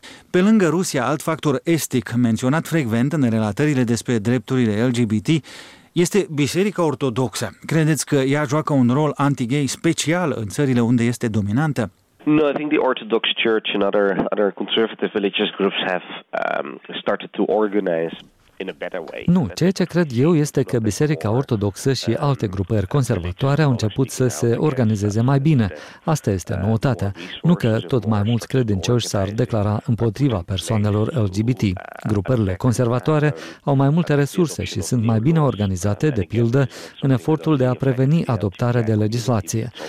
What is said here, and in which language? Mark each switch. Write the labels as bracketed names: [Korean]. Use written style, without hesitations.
[Romanian] Pe lângă Rusia, alt factor estic menționat frecvent în relatările despre drepturile LGBT este Biserica Ortodoxă. Credeți că ea joacă un rol anti-gay special în țările unde este dominantă? [English] No, I think the Orthodox Church and other conservative religious groups have started to organize. [Romanian] Nu, ceea ce cred eu este că Biserica Ortodoxă și alte grupări conservatoare au început să se organizeze mai bine. Asta este noutatea. Nu că tot mai mulți credincioși s-ar declara împotriva persoanelor LGBT. Grupările conservatoare au mai multe resurse și sunt mai bine organizate, de pildă, în efortul de a preveni adoptarea de legislație.